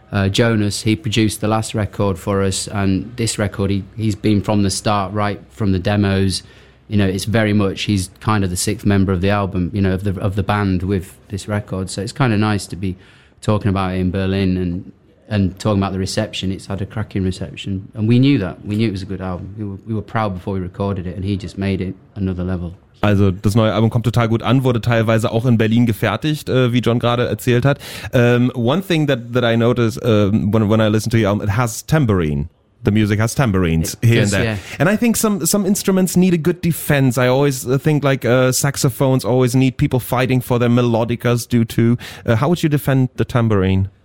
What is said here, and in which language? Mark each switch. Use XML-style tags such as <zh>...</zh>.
<en>Jonas, he produced the last record for us, and this record, he's been from the start, right from the demos. You know, it's very much, he's kind of the sixth member of the album, you know, of the band with this record. So it's kind of nice to be talking about it in Berlin and talking about the reception. It's had a cracking reception, and we knew that. We knew it was a good album. We were proud before we recorded it, and he just made it another level.</en> <de>Also das neue Album kommt total gut an, wurde teilweise auch in Berlin gefertigt, wie John gerade erzählt hat.</de> <en>One thing that I notice when I listen to your album, it has tambourine. The music has tambourines here and there. Yeah. And I think some instruments need a good defense. I always think like saxophones always need people fighting for their melodicas due to. How would you defend the tambourine?</en>